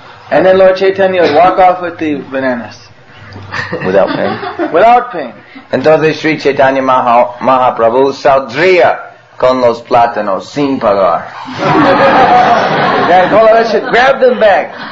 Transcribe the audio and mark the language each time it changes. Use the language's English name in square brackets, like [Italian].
[English] And then Lord Chaitanya would walk off with the bananas. Without pain? Without pain. [Spanish] Entonces Sri Chaitanya Mahaprabhu saldría con los plátanos sin pagar. [English] Then Golovecha grab them back.